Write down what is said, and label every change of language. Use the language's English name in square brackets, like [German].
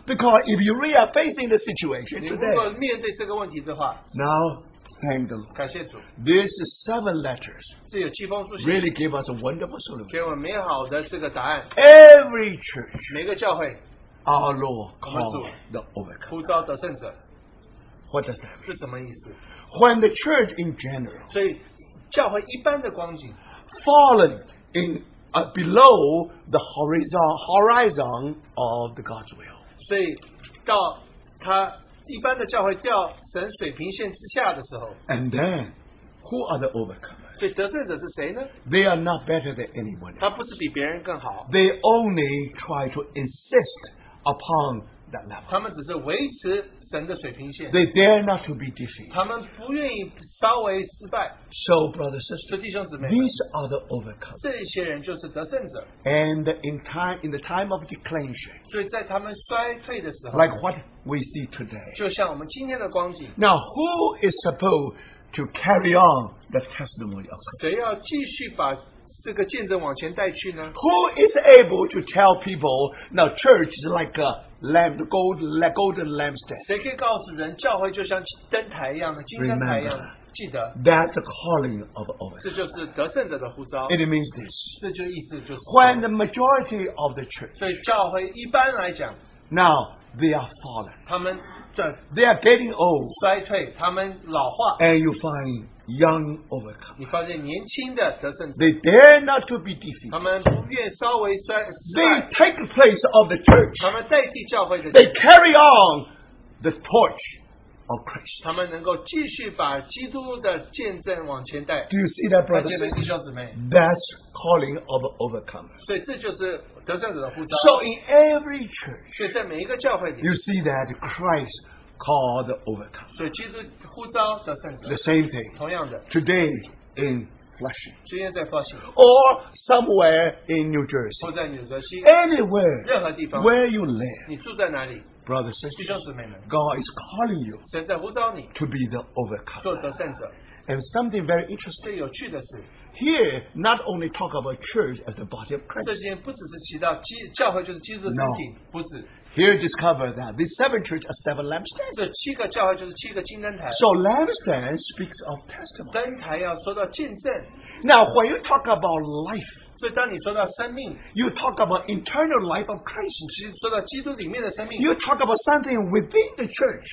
[English] Because if you really are facing the situation today, [Chinese] 你如果面对这个问题的话, [English] now, thank the Lord. [Chinese] 感谢主, [English] these seven letters [Chinese] 这有七封书信, [English] really give us a wonderful solution. [Chinese] 给我们美好的这个答案, [English] every church, [Chinese] 每个教会, [English] our Lord called the overcomer, [Chinese] 呼召得胜者, [English] what does that mean? [Chinese] 是什么意思? [English] When the church in general, [Chinese] 所以教会一般的光景, [English] fallen in, below the horizon of the God's will, [Chinese] 所以到他, 一般的教会掉神水平线之下的时候, [English] and then, who are the overcomers? [Chinese] 所以得胜者是谁呢? [English] They are not better than anyone else. [Chinese] 他不是比别人更好, [English] they only try to insist upon that level. [Chinese] 他们只是维持神的水平线, [English] they dare not to be defeated. [Chinese] 他们不愿意稍微失败, [English] so, brothers and sisters, [Chinese] 所以弟兄姊妹们, [English] these are the overcomers. [Chinese] 这些人就是得胜者, [English] and in the time of declination, [Chinese] 所以在他们衰退的时候, [English] like what we see today, [Chinese] 就像我们今天的光景, [English] now who is supposed to carry on the testimony of God? [Chinese] 谁要继续把 这个见证往前带去呢? [English] Who is able to tell people, now church is like a lamp, golden lampstand? [Chinese] 谁可以告诉人, 教会就像灯台一样的金灯台一样的? [English] Remember, that's the calling of overcomers. [Chinese] 这就是得胜者的呼召. [English] It means this. [Chinese] 这就意思就是, [English] when the majority of the church, [Chinese] 所以教会一般来讲, [English] now they are fallen. [Chinese] 他们, [English] they are getting old. [Chinese] 衰退, 他们老化, [English] and you find young overcome. [Chinese] 你发现年轻的得胜者, [English] they dare not to be defeated. [Chinese] 他们不愿稍微衰, [English] they take the place of the church. [Chinese] 他们代替教会的, [English] they carry on the torch of Christ. [Chinese] 他们能够继续把基督的见证往前带, [English] do you see that, brothers? [Chinese] 看见了弟兄姊妹, [English] that's calling of overcomers. [Chinese] 所以这就是得胜者的呼召. [English] So in every church, [Chinese] 所以在每一个教会里, [English] you see that Christ called the overcomer. The same thing. [Chinese] 同样的, [English] today in Flushing. [Chinese] 今天在 Flushing. [English] Or somewhere in New Jersey. [Chinese] 或在纽泽西, [English] anywhere. [Chinese] 任何地方, [English] where you live. [Chinese] 你住在哪里? [English] Brothers and sisters. [Chinese] 弟兄姊妹们, [English] God is calling you. [Chinese] 神在呼召你, [English] to be the overcomer. [Chinese] 做得胜者, [English] and something very interesting. [Chinese] 最有趣的是, [English] here, not only talk about church as the body of Christ. [Chinese] 这些不只是提到教会就是基督的身体, [English] no. [Chinese] 不止, [English] here discover that these seven churches are seven lampstands. [Chinese] 这七个教会就是七个金灯台, [English] so lampstand speaks of testimony. [Chinese] 灯台要说到见证, [English] now when you talk about life, [Chinese] 所以当你说到生命, [English] you talk about internal life of Christ. [Chinese] 其实说到基督里面的生命, [English] you talk about something within the church.